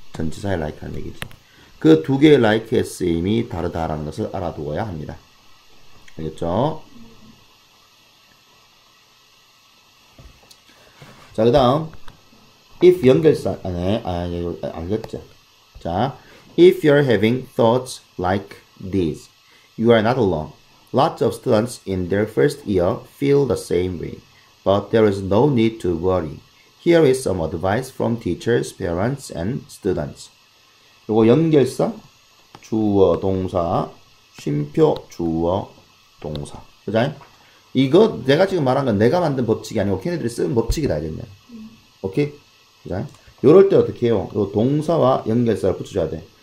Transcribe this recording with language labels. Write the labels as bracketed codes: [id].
[ko] 전치사의 like라는 얘기지. 그두 개의 like의 쓰임이 다르다라는 것을 알아두어야 합니다. 알겠죠? 자, 그 다음 if 연결사 안에 아, 네. 아, 알겠죠? [en] 자, if you're having thoughts like these, you are not alone. Lots of students in their first year feel the same way, but there is no need to worry. Here is some advice from teachers, parents, and students. [ko] 요거 연결사, 주어, 동사, 쉼표, 주어, 동사. 그죠? 이거 내가 지금 말한 건 내가 만든 법칙이 아니고 걔네들이 쓴 법칙이다, 이랬네. 오케이? 그죠? 요럴 때 어떻게 해요? 요 동사와 연결사를 붙여줘야 돼.